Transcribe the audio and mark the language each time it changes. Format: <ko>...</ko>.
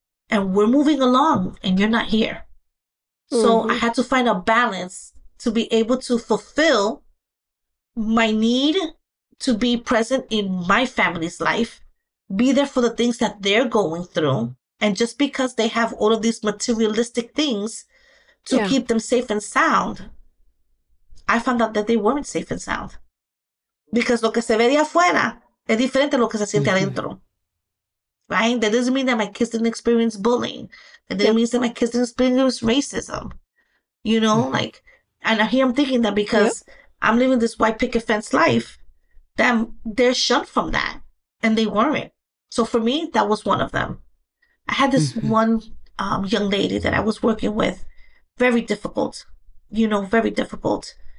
<en>And we're moving along and you're not here. So I had to find a balance to be able to fulfill my need to be present in my family's life, be there for the things that they're going through. And just because they have all of these materialistic things to keep them safe and sound, I found out that they weren't safe and sound. Because</en> <es>lo que se ve de afuera es diferente a lo que se siente adentro.</es> <en>Right? That doesn't mean that my kids didn't experience bullying. That doesn't mean that my kids didn't experience racism. You know, like, and here I'm thinking that because I'm living this white picket fence life, that they're shunned from that. And they weren't. So for me, that was one of them. I had this one young lady that I was working with, very difficult, you know, very difficult.</en>